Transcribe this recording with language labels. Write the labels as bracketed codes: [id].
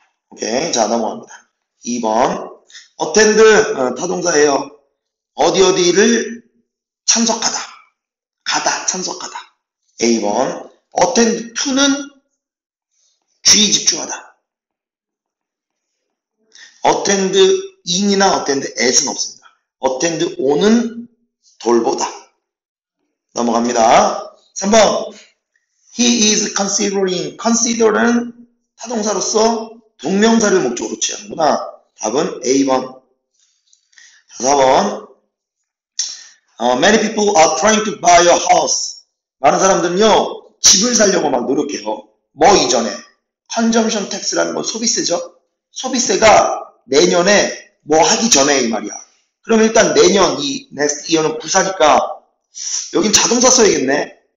[ko] 오케이, 자, 넘어갑니다. 2번. attend, 타동사예요. 어디 어디를 참석하다. 가다, 참석하다. A번. attend to는 주의 집중하다. attend in이나 attend at은 없습니다. attend on은 돌보다. 넘어갑니다. 3번. [en] he is considering. [ko] consider는 타동사로서 동명사를 목적으로 취하는구나. 답은 A번. 4번. [en] Many people are trying to buy a house. [ko] 많은 사람들은요, 집을 살려고 막 노력해요. 뭐 이전에? Consumption tax라는 건 소비세죠? 소비세가 내년에 뭐 하기 전에 이 말이야. 그럼 일단 내년, 이 next year는 부사니까, 여긴 자동사 써야겠네.